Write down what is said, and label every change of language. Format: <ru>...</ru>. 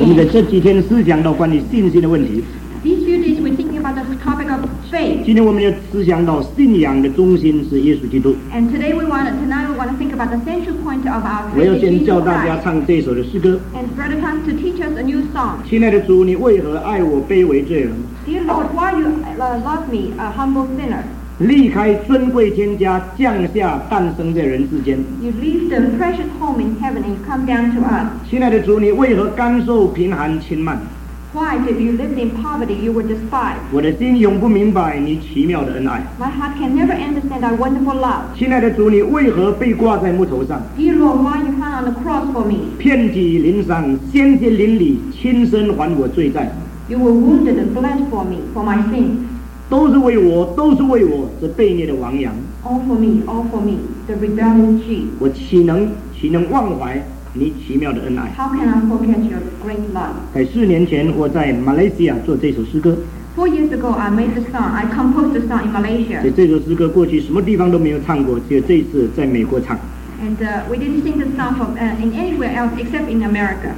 <zh>我们在这几天思想到关于信心的问题。</zh> <en>These few days we're thinking about the topic of faith.</en> <zh>今天我们要思想到信仰的中心是耶稣基督。</zh> <en>And today we want to, tonight we want to think about the central point of our faith.</en> <zh>我要先教大家唱这首的诗歌。</zh> <en>And Brother Tom to teach us a new song.</en> <zh>亲爱的主，你为何爱我卑微罪人？</zh> <en>Dear Lord, why you love me, a humble sinner?</en> <zh>离开尊贵天家，降下诞生在人世间。</zh> <en>You leave the precious home in heaven and come down to us.</en> <zh>亲爱的主，你为何甘受贫寒轻慢？</zh> <en>Why, if you lived in poverty, you were despised?</en> <zh>我的心永不明白你奇妙的恩爱。</zh> <en>My heart can never understand thy wonderful love.</en> <zh>亲爱的主，你为何被挂在木头上？</zh> <en>Dear Lord, why you hung on the cross for me?</en> <zh>遍体鳞伤，鲜血淋漓，亲身还我罪债。</zh> <en>You were wounded and bled for me, for my sins.</en> <zh>都是为我，这悖逆的王羊。</zh> <en>all for me, the rebellious sheep.</en> <zh>我岂能忘怀你奇妙的恩爱？</zh> <en>How can I forget your great love?</en> <zh>在4年前，我在马来西亚做这首诗歌。</zh> <en>4 years ago, I made the song. I composed the song in Malaysia.</en> <zh>这首诗歌过去什么地方都没有唱过，只有这一次在美国唱。</zh> <en>And we didn't sing the song from in anywhere else except in America.</en>